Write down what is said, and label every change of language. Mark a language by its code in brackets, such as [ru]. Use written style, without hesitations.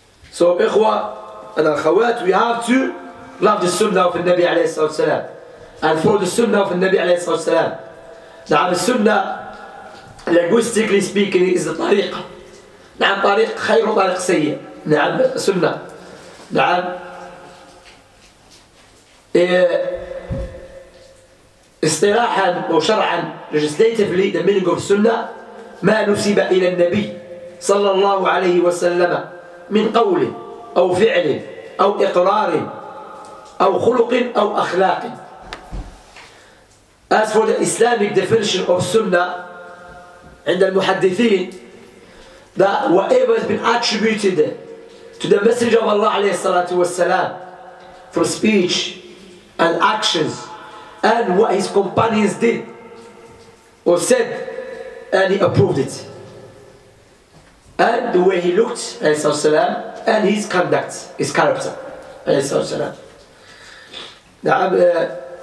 [en] So, ikhwa and al-khawat, we have to love the sunnah of the Nabi alayhi salam. And follow the Sunnah of the Nabi alayhi salatu wasalam. Now the Sunnah, linguistically speaking, is the tariq. Now [ar] tariq khayru tariq sayyi. [en] Now Sunnah. Now istilahan or shar'an, legislatively, the meaning of Sunnah, [ar] ما نسب إلى النبي صلى الله عليه وسلم من قول أو فعل أو إقرار أو خلق أو أخلاق. [en] As for the Islamic definition of Sunnah and the Muhaddithin, that whatever has been attributed to the Messenger of Allah alayhi salatu wasalam for speech and actions and what his companions did or said, and he approved it, and the way he looked alayhi salatu wasalam, and his conduct, his character alayhi salatu wasalam.